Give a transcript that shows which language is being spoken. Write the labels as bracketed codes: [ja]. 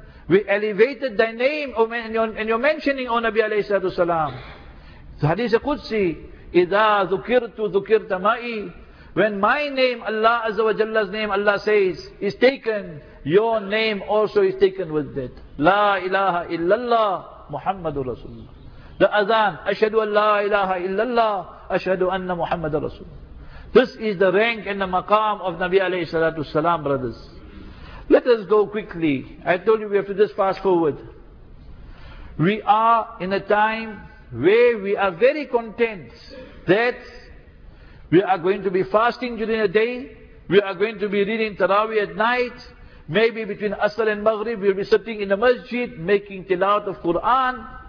[en] We elevated thy name, and you're mentioning, O Nabi alayhi salatu salam. The hadith of Qudsi, [ar] إِذَا ذُكِرْتُ ذُكِرْتَ مَعِي. [en] When my name, Allah Azza wa Jalla's name, Allah says, is taken, your name also is taken with it. La ilaha illallah, Muhammadur Rasulullah. The adhan, [ar] أَشْهَدُ أَنْ لَا إِلَهَ إِلَّا اللَّهِ أَشْهَدُ أَنَّ مُحَمَّدَ رَسُولُهُ. [en] This is the rank and the maqam of Nabi alayhi salatu salam, brothers. Let us go quickly. I told you we have to just fast forward. We are in a time where we are very content that we are going to be fasting during the day, we are going to be reading Taraweeh at night, maybe between Asr and Maghrib we'll be sitting in the masjid making tilawat of Quran.